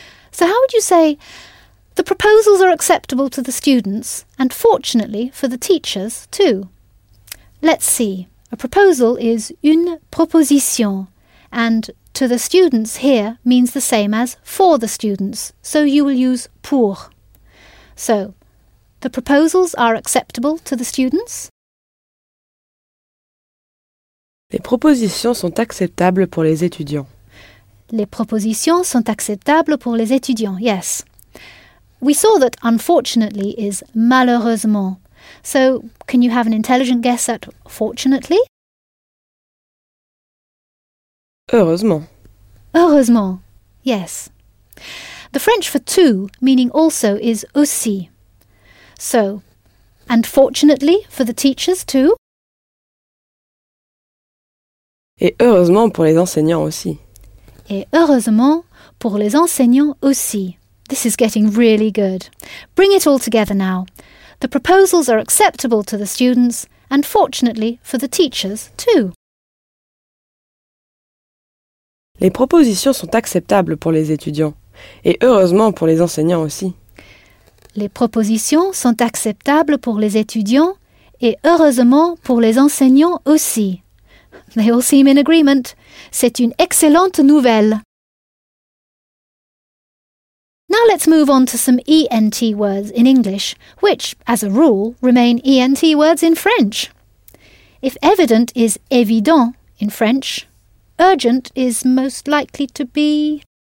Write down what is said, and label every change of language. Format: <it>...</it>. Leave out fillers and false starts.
<en>So how would you say, the proposals are acceptable to the students and fortunately for the teachers too? Let's see. A proposal is</en> <fr>une proposition.</fr> <en>And to the students here means the same as for the students, so you will use pour. So, the proposals are acceptable to the students?</en> <fr>Les propositions sont acceptables pour les étudiants. Les propositions sont acceptables pour les étudiants, yes.</fr> <en>We saw that unfortunately is malheureusement. So, can you have an intelligent guess at fortunately?</en> <fr>Heureusement. Heureusement, yes.</fr> <en>The French for to, meaning also, is aussi. So, and fortunately for the teachers too?</en> <fr>Et heureusement pour les enseignants aussi. Et heureusement pour les enseignants aussi.</fr> <en>This is getting really good. Bring it all together now. The proposals are acceptable to the students and fortunately for the teachers too.</en> <fr>Les propositions sont acceptables pour les étudiants, Et heureusement pour les enseignants aussi. Les propositions sont acceptables pour les étudiants et heureusement pour les enseignants aussi.</fr> <en>They all seem in agreement.</en> <fr>C'est une excellente nouvelle.</fr> <en>Now let's move on to some ENT words in English, which, as a rule, remain ENT words in French. If evident is évident in French, urgent is most likely to be...</en>